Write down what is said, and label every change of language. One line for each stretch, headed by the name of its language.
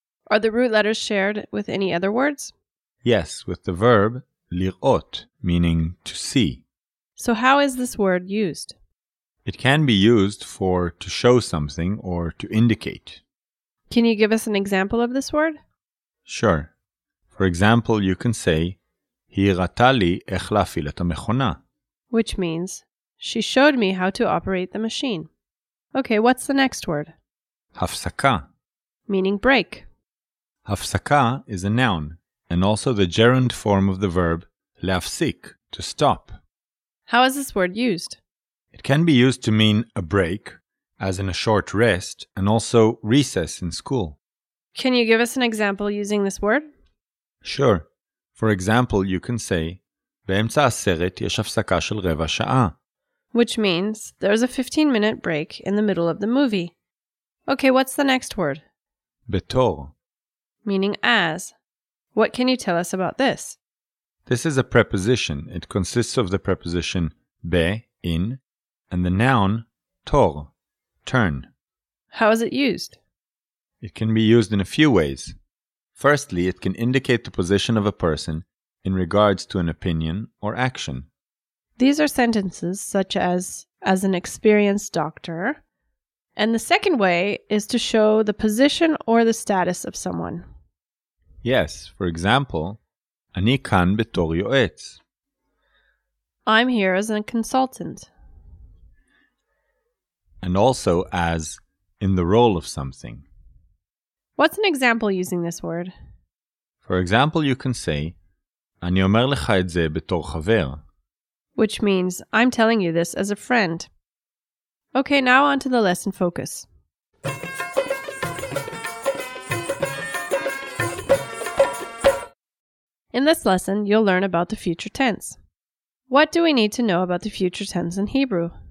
English: Are the root letters shared with any other words? Yes, with the verb לראות, meaning to see. So how is this word used? It can be used for to show something or to indicate. Can you give us an example of this word? Sure. For example, you can say,
Hebrew: היא ראתה לי איך להפעיל את המכונה.
English: Which means, she showed me how to operate the machine. Okay, what's the next word?
Hebrew: הפסקה.
English: Meaning break. הפסקה is a noun, and also the gerund form of the verb להפסיק, to stop. How is this word used? It can be used to mean a break, as in a short rest, and also recess in school. Can you give us an example using this word? Sure. For example, you can say,
Hebrew: באמצע הסרט יש הפסקה של רבע שעה.
English: Which means, there's a 15-minute break in the middle of the movie. Okay, what's the next word?
Hebrew: בתור.
English: Meaning as. What can you tell us about this? This is a preposition. It consists of the preposition be, in, and the noun תור. Turn. How is it used? It can be used in a few ways. Firstly, it can indicate the position of a person in regards to an opinion or action. These are sentences such as an experienced doctor. And the second way is to show the position or the status of someone. Yes, for example,
Hebrew: אני כאן בתור יועץ.
English: I'm here as a consultant. And also as in the role of something. What's an example using this word? For example, you can say,
Hebrew: אני אומר לך את זה בתור חבר.
English: Which means, I'm telling you this as a friend. Okay, now on to the lesson focus. In this lesson, you'll learn about the future tense. What do we need to know about the future tense in Hebrew?